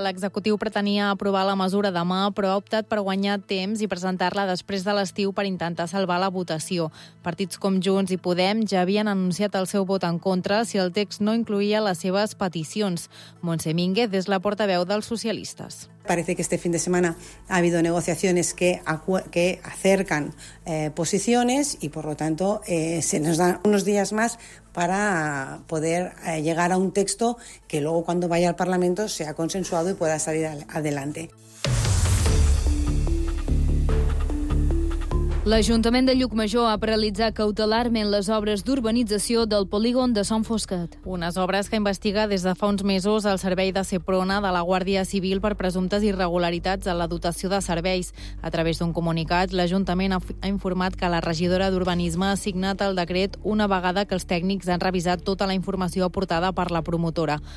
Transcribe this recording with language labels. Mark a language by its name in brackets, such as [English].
[Catalan] L'executiu pretenia aprovar la mesura demà, però ha optat per guanyar temps i presentar-la després de l'estiu per intentar salvar la votació. Partits com Junts i Podem ja havien anunciat el seu vot en contra si el text no incluïa les seves peticions. Montse Mínguez és la portaveu dels socialistes. [Spanish] Parece que este fin de semana ha habido negociaciones que acercan posiciones y, por lo tanto, se nos dan unos días más para poder llegar a un texto que luego, cuando vaya al Parlamento, sea consensuado y pueda salir adelante. [Catalan] L'Ajuntament de Llucmajor ha paralitzat cautelarment les obres d'urbanització del polígon de Sant Fosquet. Unes obres que investiga des de fa uns mesos el servei de Seprona de la Guàrdia Civil per presumptes irregularitats en la dotació de serveis. A través d'un comunicat, l'Ajuntament ha informat que la regidora d'Urbanisme ha signat el decret una vegada que els tècnics han revisat tota la informació aportada per la promotora.